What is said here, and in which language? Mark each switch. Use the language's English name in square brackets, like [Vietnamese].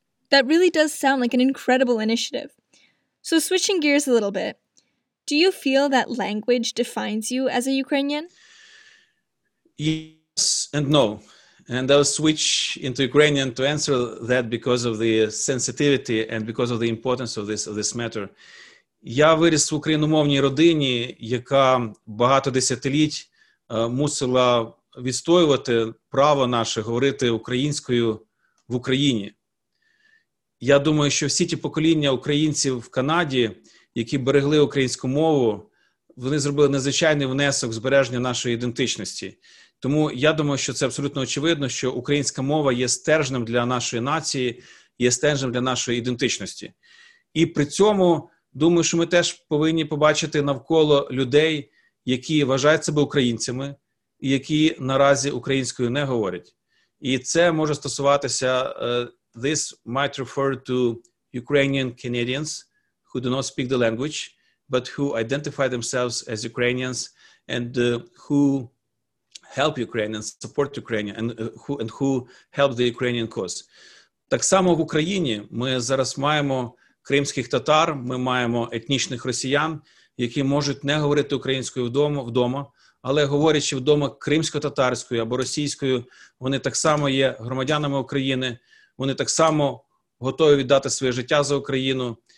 [English] That really does sound like an incredible initiative. So switching gears a little bit, do you feel that language defines you as a Ukrainian? Yes and no. And I'll switch into Ukrainian to answer that because of the sensitivity and because of the importance of this matter. [Ukrainian] Я виріс в україномовній родині, яка багато десятиліть мусила відстоювати право наше говорити українською в Україні. Я думаю, що всі ті покоління українців в Канаді, які берегли українську мову, вони зробили надзвичайний внесок в збереження нашої ідентичності. Тому я думаю, що це абсолютно очевидно, що українська мова є стержнем для нашої нації, є стержнем для нашої ідентичності. І при цьому, думаю, що ми теж повинні побачити навколо людей, які вважають себе українцями, і які наразі українською не говорять. І це може стосуватися, [English] this might refer to Ukrainian Canadians who do not speak the language, but who identify themselves as Ukrainians and who help Ukraine and support Ukraine and who help the Ukrainian cause. [Ukrainian] Так само в Україні ми зараз маємо кримських татар, ми маємо етнічних росіян, які можуть не говорити українською вдома, але говорячи вдома кримсько-татарською або російською, вони так само є громадянами України, вони так само готові віддати своє життя за Україну.